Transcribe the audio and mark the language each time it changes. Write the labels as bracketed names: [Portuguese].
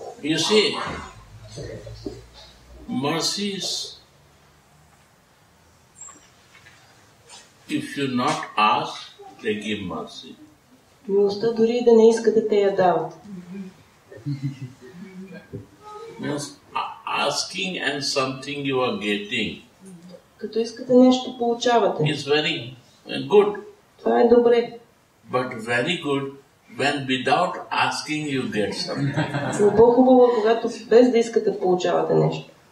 [English] You see, mercy is if you not ask, they give mercy. [Bulgarian] Милостта дори да не искате, те я дават. [English] Means asking and something you are getting. [Bulgarian] Като искате нещо, получавате. [English] Is very good. [Bulgarian] Това е добре. [English] But very good when without asking you get something. [Bulgarian] По-хубаво, когато без да искате, получавате нещо.